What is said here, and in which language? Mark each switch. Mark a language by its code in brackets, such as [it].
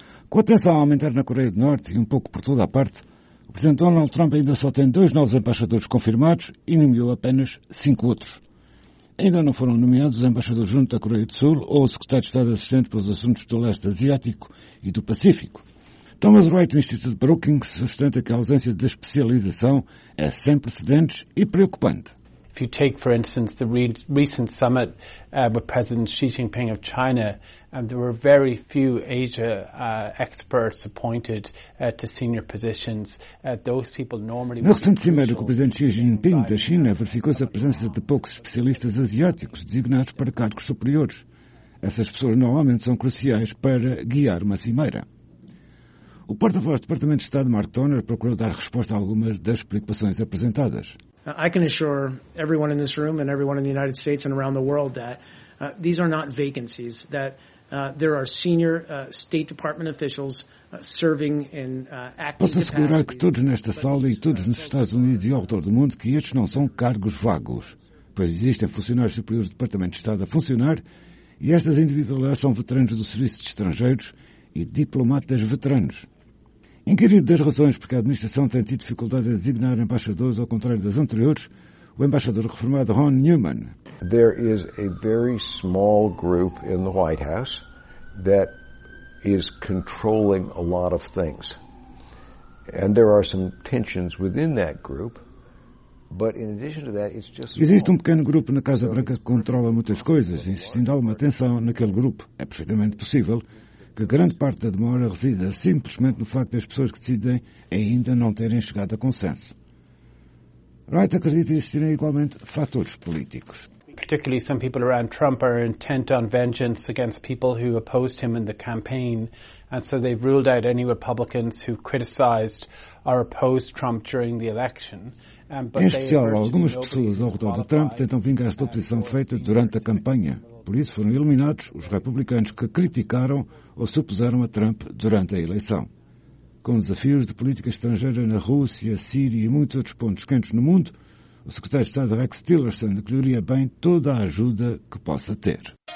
[pt] Com a tensão a aumentar na Coreia do Norte e um pouco por toda a parte, o presidente Donald Trump ainda só tem 2 novos embaixadores confirmados e nomeou apenas 5 outros. Ainda não foram nomeados o embaixador junto da Coreia do Sul ou o secretário de Estado assistente para os assuntos do leste asiático e do Pacífico. Thomas Wright, do Instituto Brookings, sustenta que a ausência de especialização é sem precedentes e preocupante. [en] you take, for instance, the recent summit with President Xi Jinping of China, there were very few Asia experts appointed to senior positions. Those people normally... [pt] No recente cimeiro com o Presidente Xi Jinping da China, verificou-se a presença de poucos especialistas asiáticos designados para cargos superiores. Essas pessoas normalmente são cruciais para guiar uma cimeira. O porta-voz do Departamento de Estado, Mark Toner, procurou dar resposta a algumas das preocupações apresentadas. [en] I can assure everyone in this room and everyone in the United States and around the world that these are not vacancies, that there are senior State Department officials serving in active capacities. [pt] Posso assegurar que todos nesta sala e todos nos Estados Unidos e ao redor do mundo que estes não são cargos vagos, pois existem funcionários superiores do Departamento de Estado a funcionar e estas individualidades são veteranos do Serviço de Estrangeiros e diplomatas veteranos. Inquirido das razões porque a administração tem tido dificuldade em designar embaixadores, ao contrário das anteriores, o embaixador reformado Ron Newman. [en] There is a very small group in the White House that is controlling a lot of things. And there are some tensions within that group, but in addition to that, it's just... [pt] Existe pequeno grupo na Casa Branca que controla muitas coisas, insistindo alguma atenção naquele grupo. É perfeitamente possível que grande parte da demora resida simplesmente no facto das pessoas que decidem ainda não terem chegado a consenso. Wright acredita existirem igualmente fatores políticos. [en] Particularly some people around Trump are intent on vengeance against people who opposed him in the campaign, and so they've ruled out any Republicans who criticized or opposed Trump during the election. [pt] Em especial, algumas pessoas ao redor de Trump tentam vingar esta oposição feita durante a campanha. Por isso foram eliminados os republicanos que criticaram ou se opuseram a Trump durante a eleição. Com desafios de política estrangeira na Rússia, Síria e muitos outros pontos quentes no mundo, o secretário de Estado Rex Tillerson acolheria bem toda a ajuda que possa ter.